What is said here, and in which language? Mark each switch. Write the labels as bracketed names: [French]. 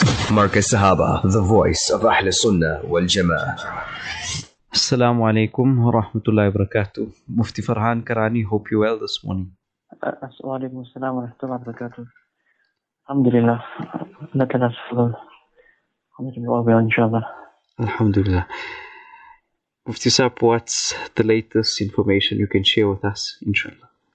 [Arabic] مركز صحابة The Voice of أهل السنة والجماعة. السلام عليكم ورحمة الله وبركاته. [English] مفتي فرحان كراني, hope you well this morning. [Arabic] وعليكم السلام ورحمة الله وبركاته. الحمد لله نتنفذ الحمد لله إن شاء الله. الحمد لله. [English] مفتي ساب, what's the latest information you can share with us إن شاء الله؟